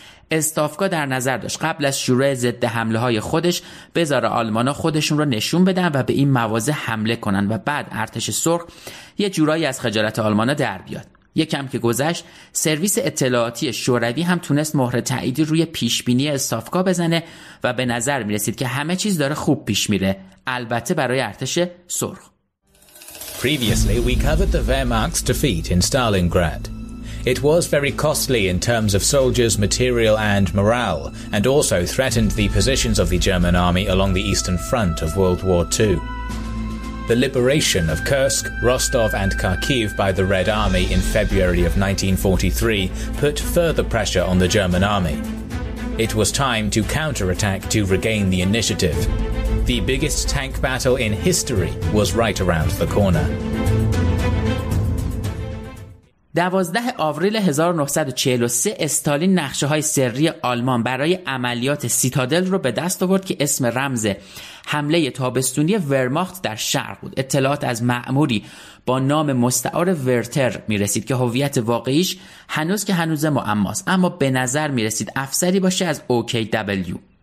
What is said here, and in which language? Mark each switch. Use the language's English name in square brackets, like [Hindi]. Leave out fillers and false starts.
[Persian] استافکا در نظر داشت قبل از شروع ضد حمله های خودش بذاره آلمانا خودشون رو نشون بدن و به این مواضع حمله کنن و بعد ارتش سرخ یه جورایی از خجالت آلمانا در بیاد. یکم که گذشت سرویس اطلاعاتی شوروی هم تونست مهر تاییدی روی پیشبینی استافکا بزنه و به نظر میرسید که همه چیز داره خوب پیش میره، البته برای ارتش سرخ. [English] Previously we covered the Wehrmacht's defeat in Stalingrad. It was very costly in terms of soldiers, material and morale and also threatened the positions of the German army along the eastern front of World War II. The liberation of Kursk, Rostov and Kharkiv by the Red Army in February of 1943 put further pressure on the German army. It was time to counterattack to regain the initiative. The biggest tank battle in history was right around the corner. [Persian] 12 آوریل 1943 استالین نقشه‌های سری آلمان برای عملیات سیتادل رو به دست آورد که اسم رمز حمله تابستونی ورماخت در شرق بود. اطلاعات از مأموری با نام مستعار ورتر می‌رسید که هویت واقعیش هنوز که هنوز معماست، اما به نظر می‌رسید افسری باشه از OKW.